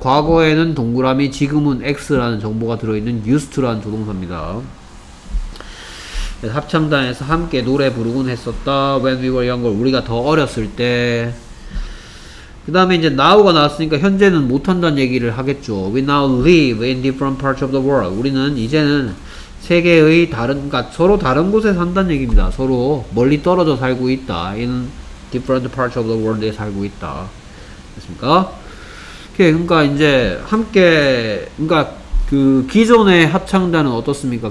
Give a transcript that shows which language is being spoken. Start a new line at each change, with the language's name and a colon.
Korean: 과거에는 동그라미, 지금은 X라는 정보가 들어있는 used to라는 조동사입니다. 합창단에서 함께 노래 부르곤 했었다.
English: When we were younger,
Korean: 우리가 더 어렸을 때. 그 다음에 이제 now가 나왔으니까 현재는 못한다는 얘기를 하겠죠.
English: We now live in different parts of the world.
Korean: 우리는 이제는 세계의 다른, 그러니까 서로 다른 곳에 산다는 얘기입니다. 서로 멀리 떨어져 살고 있다.
English: In different parts of the world에
Korean: 살고 있다. 됐습니까? 그러니까 이제 함께, 그러니까 그 기존의 합창단은 어떻습니까?